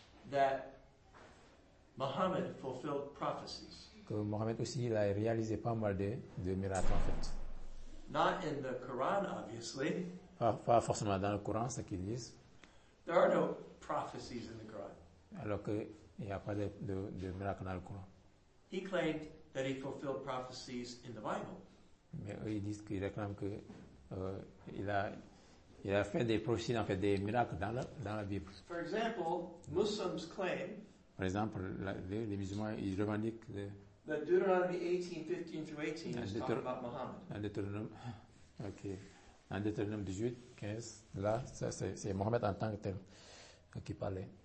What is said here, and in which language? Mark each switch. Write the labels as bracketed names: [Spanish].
[English] That Muhammad fulfilled prophecies. [French] Que Muhammad aussi, il a réalisé pas mal de miracles en fait. [English] Not in the Quran, obviously. [French] Pas forcément dans le Coran, ce qu'ils disent. [English] There are no prophecies in the Quran. [French] Alors qu'il n'y a pas de miracles dans le Coran. [English] He claimed that he fulfilled prophecies in the Bible. [French] Mais eux, ils disent qu'ils réclament que. Il a fait des prophéties, en fait, des miracles dans la Bible. [English] For example, Muslims claim. [French] Par exemple, les musulmans, ils revendiquent. [English] That Deuteronomy 18:15-18 is talking about Muhammad. [French] Dans Deutéronome 18:15, là, ça c'est Muhammad en tant que tel qui parlait.